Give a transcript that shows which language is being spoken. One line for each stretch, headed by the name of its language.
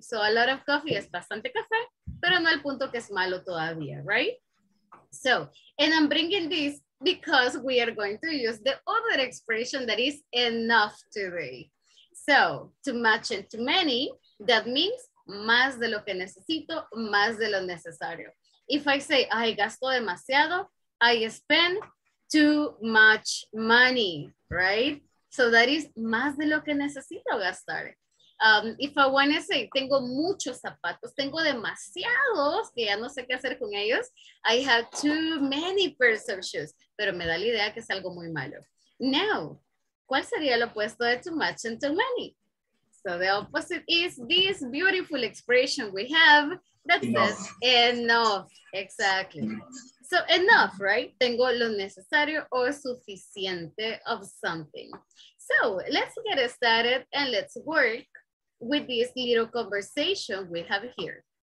English: So a lot of coffee
Spanish: es bastante café, pero no al punto que es malo todavía,
English: right? So, and I'm bringing this because we are going to use the other expression that is enough today. So, too much and too many, that means
Spanish: más de lo que necesito, más de lo necesario.
English: If I say, I
Spanish: gasto demasiado,
English: I spend too much money, right? So that is
Spanish: más de lo que necesito gastar.
English: If I want to say,
Spanish: tengo muchos zapatos, tengo demasiados, que ya no sé qué hacer con ellos,
English: I have too many pairs of shoes,
Spanish: pero me da la idea que es algo muy malo.
English: Now,
Spanish: ¿cuál sería el opuesto de
English: too much and too many? So the opposite is this beautiful expression we have that says enough, exactly. So enough, right?
Spanish: Tengo lo necesario o suficiente
English: of something. So let's get started and let's work with this little conversation we have here.